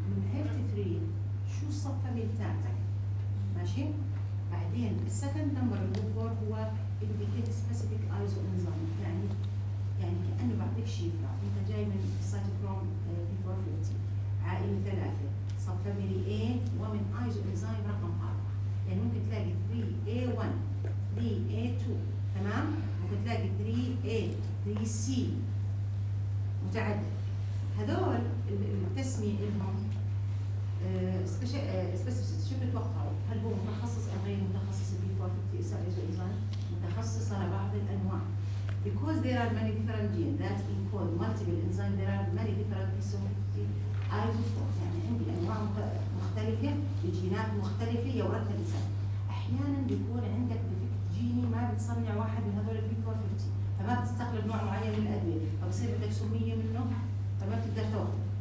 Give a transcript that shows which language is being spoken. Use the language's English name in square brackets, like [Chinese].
[Arabic] من عيله 3 شو الصف فاميلي بتاعتك؟ ماشي؟ بعدين السكند نمبر اللي هو 4 هو انديكيت سبيسيفيك ايزو انزايم، يعني كأنه بعطيك شيفرة، أنت جاي من السيتوكروم بي 450 عائلة ثلاثة، صف فاميلي A ومن أيزو إنزايم رقم 4، يعني ممكن تلاقي 3A1، 3A2، تمام؟ ممكن تلاقي 3A، 3C متعدد. هذول التسمية إلهم سبيسيفيست، شو بتتوقعوا؟ هل هو متخصص أم غير متخصص بي 450 أيزو إنزايم؟ متخصص على بعض الأنواع. [English] Because there are many different genes that encode multiple enzymes, there are many different isoforms. [Arabic] يعني عندي أنواع مختلفة، الجينات مختلفة يا ورثة الإنسان. أحياناً بيكون عندك ديفكت جيني ما بتصنع واحد من هذول البي 450، فما بتستقلب نوع معين من الأدوية، فبصير عندك سمية منه، فما بتقدر تاخذه.